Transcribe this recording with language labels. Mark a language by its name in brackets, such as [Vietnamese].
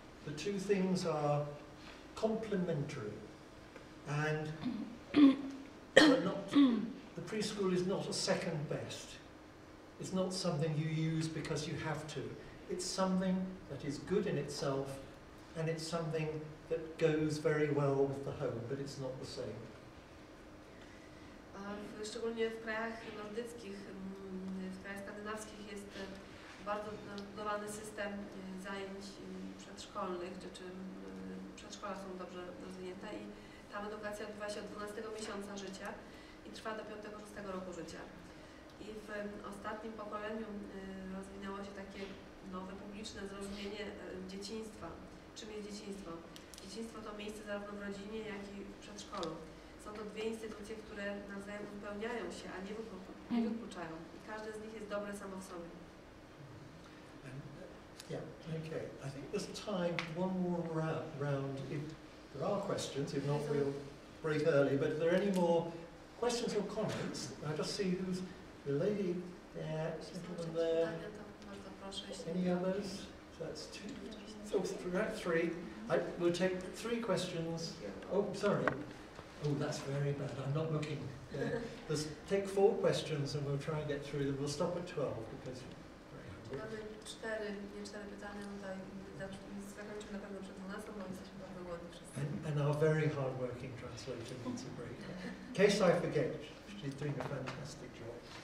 [English] The two things are complementary, and the preschool is not a second best. It's not something you use because you have to. It's something that is good in itself, and it's something that goes very well with the home, but it's not the same. [Polish] Szczególnie w krajach nordyckich, w krajach skandynawskich jest bardzo budowany system zajęć przedszkolnych, czy przedszkola są dobrze rozwinięte i tam edukacja odbywa się od 12 miesiąca życia i trwa do 5-6 roku życia. I w ostatnim pokoleniu rozwinęło się takie nowe publiczne zrozumienie dzieciństwa. Czym jest dzieciństwo? Dzieciństwo to miejsce zarówno w rodzinie, jak i w przedszkolu. Są to dwie instytucje, które nawzajem wypełniają się, a nie wykluczają. I każde z nich jest dobre samo w sobie. [English] Yeah, okay. I think there's time for one more round. If there are questions, if not, we'll break early. But if there are any more questions or comments, I just see who's the lady there, gentleman there. Any others? So that's two. So we're at three. We'll take three questions. Oh, sorry. Oh, that's very bad. I'm not looking. Let's take four questions and we'll try and get through them. We'll stop at 12 because we're very hungry. [Polish] Mamy cztery pytania tutaj. Zakończymy na pewno przed 12, bo jesteśmy bardzo głodni wszyscy. [English] And our very hard-working translator needs a break. In case I forget, she's doing a fantastic job.